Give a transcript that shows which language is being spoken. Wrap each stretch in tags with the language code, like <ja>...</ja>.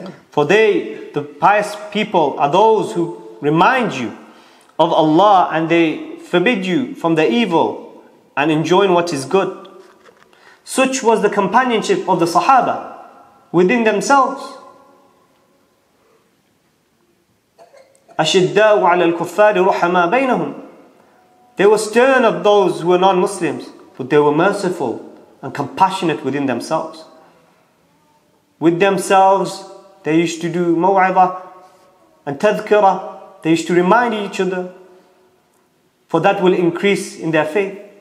<en>For they, the pious people, are those who remind you of Allah and they forbid you from the evil and enjoin what is good. Such was the companionship of the Sahaba within themselves.</en> <ar>أشداءُ على الكفار رحماء بينهم.</ar> <en>They were stern of those who were non-Muslims, but they were merciful and compassionate within themselves. With themselves, they used to do maw'idha and tadhkira. They used to remind each other, for that will increase in their faith.</en>